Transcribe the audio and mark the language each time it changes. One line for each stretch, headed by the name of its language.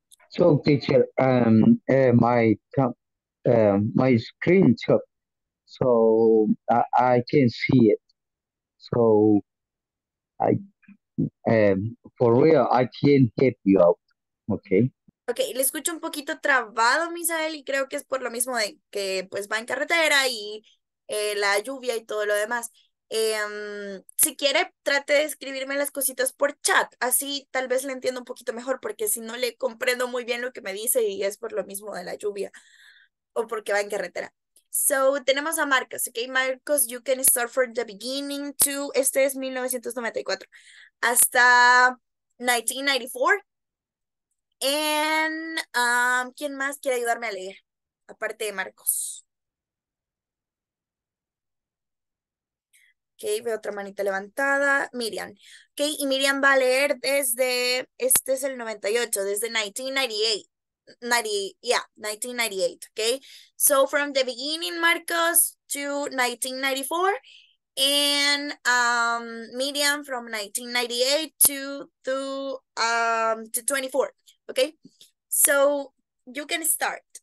English: So teacher, my screen took, so I can see it. So I for real, I can't help you out. Okay.
Spanish: Okay, le escucho un poquito trabado, Misael, y creo que es por lo mismo de que pues va en carretera y la lluvia y todo lo demás. Si quiere, trate de escribirme las cositas por chat. Así tal vez le entiendo un poquito mejor, porque si no le comprendo muy bien lo que me dice y es por lo mismo de la lluvia o porque va en carretera.
English: So,
Spanish: tenemos a Marcos,
English: okay? Marcos, you can start from the beginning to,
Spanish: este es 1994, hasta 1994. And, ¿quién más quiere ayudarme a leer? Aparte de Marcos. Okay, veo otra manita levantada. Miriam. Okay, y Miriam va a leer desde, este es el 98, desde 1998. 1998, okay?
English: So from the beginning, Marcos, to 1994, and Miriam from 1998 to 24, okay? So you can start.